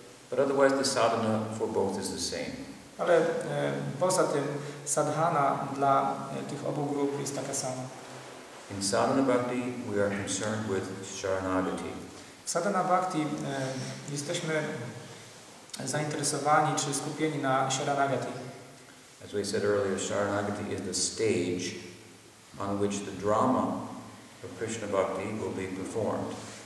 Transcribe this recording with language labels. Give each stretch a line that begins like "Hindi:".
English: But otherwise the sadhana for both is the same.
Polish: Ale poza tym sadhana dla tych obu grup jest taka sama.
English: In sadhana bhakti we are concerned with sharanagati.
Polish: W sadhana bhakti jesteśmy zainteresowani czy skupieni na sharanagati.
English: As we said earlier, sharanagati is the stage on which the drama of Krishna bhakti will be performed.